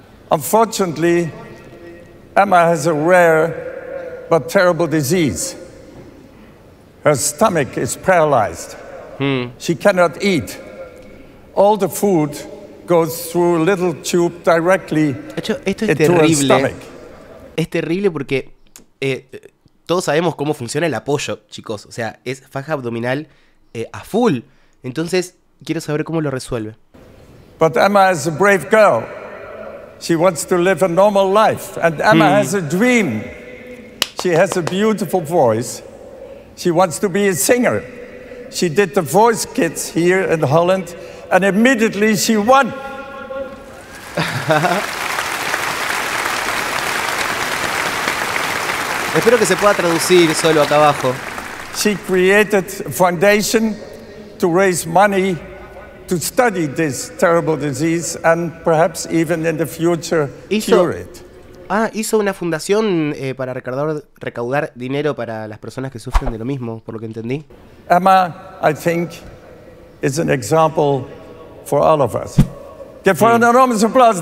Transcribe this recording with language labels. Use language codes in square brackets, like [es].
[en] Unfortunately, Emma has a rare but terrible disease. Her stomach is paralyzed. She cannot eat. All the food goes through a little tube directly into her stomach. [es] Es terrible porque todos sabemos cómo funciona el apoyo, chicos. O sea, es faja abdominal a full. Entonces, quiero saber cómo lo resuelve. [en] But Emma is a brave girl. She wants to live a normal life. And Emma has a dream. She has a beautiful voice. She wants to be a singer. She did the voice kids here in Holland. And immediately she won. [es] Espero que se pueda traducir solo acá abajo. [en] She created a foundation to raise money to study this terrible disease and perhaps even in the future cure it. [es] Hizo una fundación para recaudar dinero para las personas que sufren de lo mismo, por lo que entendí. [en] Emma, I think, is an example for all of us. Give her an enormous applause.